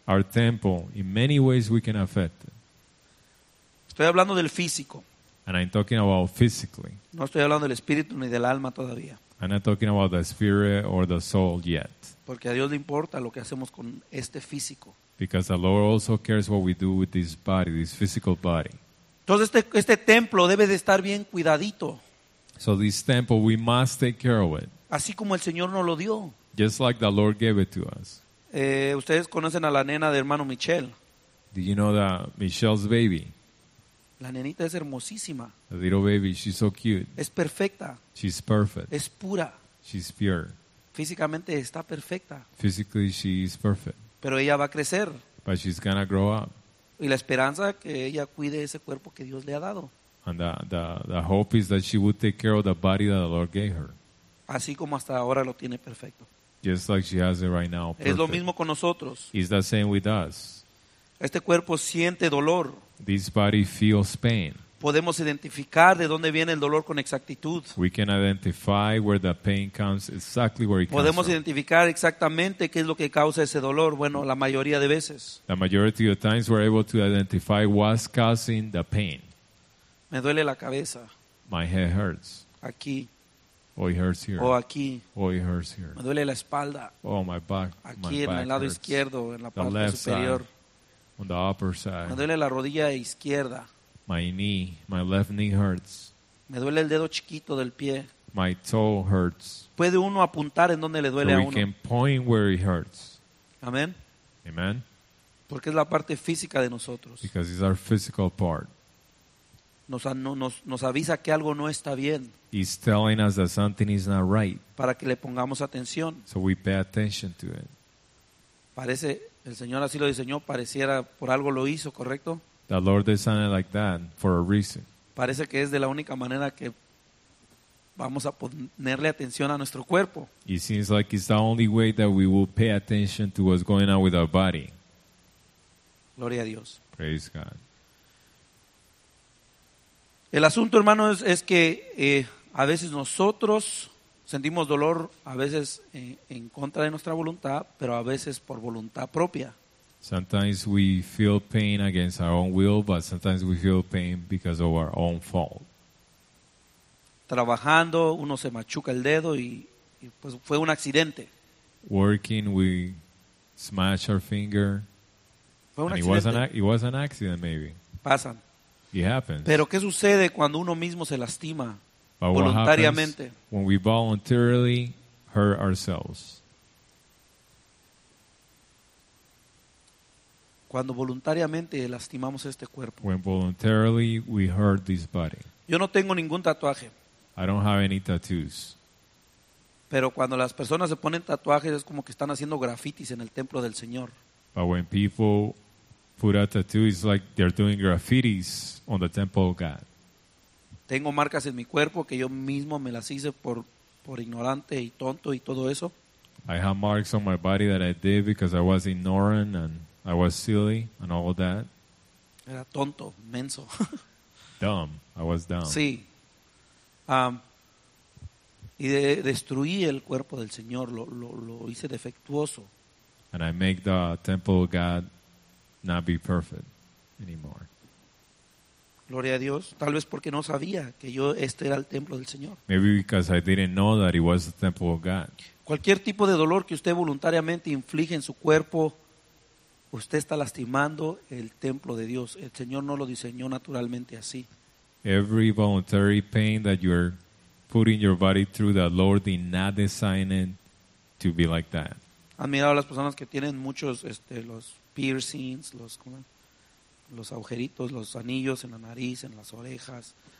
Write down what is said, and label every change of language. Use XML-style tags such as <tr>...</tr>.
<en>Our temple, in many ways we can affect it.</en> <es>Estoy hablando del físico.</es> <en>And I'm talking about physically.</en> <es>No estoy hablando del espíritu ni del alma todavía.</es> <en>I'm not talking about the spirit or the soul yet.</en> <es>Porque a Dios le importa lo que hacemos con este físico.</es> <en>Because the Lord also cares what we do with this body, this physical body.</en> <es>Entonces este templo debe de estar bien cuidadito.</es> <en>So this temple, we must take care of it.</en> <es>Así como el Señor nos lo dio.</es> <en>Just like the Lord gave it to us.</en> <es>Ustedes conocen a la nena de hermano Michelle.</es> <en>Do you know that Michelle's baby?</en> <es>La nenita es hermosísima.</es> <en>The little baby, she's so cute.</en> <es>Es perfecta.</es> <en>She's perfect.</en> <es>Es pura.</es> <en>She's pure.</en> <es>Físicamente está perfecta.</es> <en>Physically, she is perfect.</en> <es>Pero ella va a crecer.</es> <en>But she's gonna grow up.</en> <es>Y la esperanza que ella cuide ese cuerpo que Dios le ha dado.</es> <en>And the hope is that she would take care of the body that the Lord gave her.</en> <es>Así como hasta ahora lo tiene perfecto.</es> <en>Just like she has it right now, perfect.</en> <es>Es lo mismo con nosotros.</es> <en>It's the same with us.</en> <es>Este cuerpo siente dolor.</es> <en>This body feels pain.</en> <es>Podemos identificar de dónde viene el dolor con exactitud.</es> <en>We can identify where the pain comes, exactly where it comes from.</en> <es>Podemos identificar exactamente qué es lo que causa ese dolor. Bueno, la mayoría de veces.</es> <en>The majority of times we're able to identify what's causing the pain.</en> <es>Me duele la cabeza.</es> <en>My head hurts.</en> <es>Aquí.</es> <en>Oh, it hurts here.</en> <es>O aquí.</es> <en>Oh, it hurts here.</en> <es>Me duele la espalda.</es> <en>Oh, my back.</en> <es>Aquí en</es> <en>back</en> <es>el lado</es> <en>hurts.</en> <es>Izquierdo, en la parte superior.</es> <en>Side. On the upper side.</en> <es>Me duele la rodilla izquierda.</es> <en>My knee, my left knee hurts.</en> <es>Me duele el dedo chiquito del pie.</es> <en>My toe hurts.</en> <es>¿Puede uno apuntar en donde le duele</es> <en>so</en> <es>a uno?</es> <en>We can point where it hurts. Amen. Amen.</en> <es>Porque es la parte física de nosotros.</es> <en>Because it's our physical part.</en> <es>Nos avisa que algo no está bien.</es> <en>It's telling us that something is not right.</en> <es>Para que le pongamos atención.</es> <en>So we pay attention to it.</en> <es>Parece. El Señor así lo diseñó, pareciera por algo lo hizo, ¿correcto?</es> <en>The Lord designed it like that for a reason.</en> <es>Parece que es de la única manera que vamos a ponerle atención a nuestro cuerpo.</es> <en>It seems like it's the only way that we will pay attention to what's going on with our body.</en> <es>Gloria a Dios.</es> <en>Praise God.</en> <es>El asunto, hermano, es que a veces nosotros sentimos dolor a veces en contra de nuestra voluntad, pero a veces por voluntad propia.</es> <en>Sometimes we feel pain against our own will, but sometimes we feel pain because of our own fault.</en> <es>Trabajando, uno se machuca el dedo y pues fue un accidente.</es> <en>Working, we smash our finger.</en> <es>Fue un accidente.</es> <en>It was an accident, maybe.</en> <es>Pasan.</es> <en>It happens.</en> <es>Pero ¿qué sucede cuando uno mismo se lastima?</es> <en>But</en> <es>voluntariamente.</es> <en>What happens when we voluntarily hurt ourselves?</en> <es>Cuando voluntariamente lastimamos este cuerpo.</es> <en>When voluntarily we hurt this body.</en> <es>Yo no tengo ningún tatuaje.</es> <en>I don't have any tattoos.</en> <es>Pero cuando las personas se ponen tatuajes es como que están haciendo grafitis en el templo del Señor.</es> <en>But when people put a tattoo it's like they're doing graffitis on the temple of God.</en> <es>Tengo marcas en mi cuerpo que yo mismo me las hice por ignorante y tonto y todo eso.</es> <en>I have marks on my body that I did because I was ignorant and I was silly and all of that.</en> <es>Era tonto, menso.</es> <en>Dumb. I was dumb.</en> <es>Sí. y destruí el cuerpo del Señor, lo hice defectuoso.</es> <en>And I make the temple of God not be perfect anymore.</en> <es>Gloria a Dios. Tal vez porque no sabía que yo este era el templo del Señor.</es> <en>Maybe because I didn't know that it was the temple of God.</en> <es>Cualquier tipo de dolor que usted voluntariamente inflige en su cuerpo, usted está lastimando el templo de Dios. El Señor no lo diseñó naturalmente así.</es> <en>Every voluntary pain that you're putting your body through, the Lord did not design it to be like that.</en> <es>¿Han mirado a las personas que tienen muchos los piercings, los agujeritos, los anillos en la nariz, en las orejas?</es>